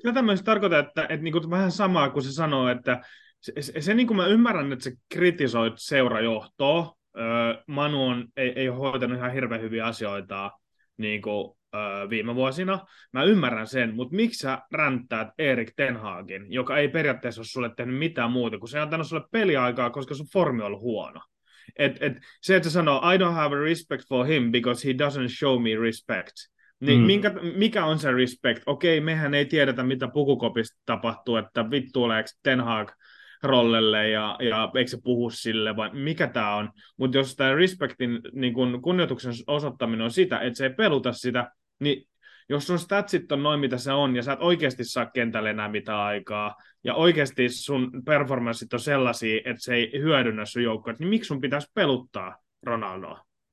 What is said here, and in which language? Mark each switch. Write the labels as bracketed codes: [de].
[fi] Tätä myös tarkoittaa, että niin kuin vähän samaa kuin se sanoo, että se niin kuin mä ymmärrän, että sä kritisoit seurajohtoa. Manu on, ei ole hoitanut ihan hirveän hyviä asioita niin kuin, viime vuosina. Mä ymmärrän sen, mutta miksi sä ränttäät Erik Ten Hagin, joka ei periaatteessa ole sulle tehnyt mitään muuta, kun se on antanut sulle peliaikaa, koska sun formi on ollut huono. Se, että sanoo, [en] I don't have a respect for him because he doesn't show me respect. [fi] Niin mikä on se respect? Okei, mehän ei tiedetä, mitä pukukopista tapahtuu, että vittu oleeko Ten Hag rollelle ja eikö se puhu sille, vai mikä tämä on? Mutta jos tämä respectin niin kun kunnioituksen osoittaminen on sitä, että se ei peluta sitä, niin jos sun statsit on noin, mitä se on, ja sä et oikeasti saa kentälle enää mitään aikaa, ja oikeasti sun performanssit on sellaisia, että se ei hyödynnä sun joukkoa, niin miksi sun pitäisi peluttaa Ronaldoa?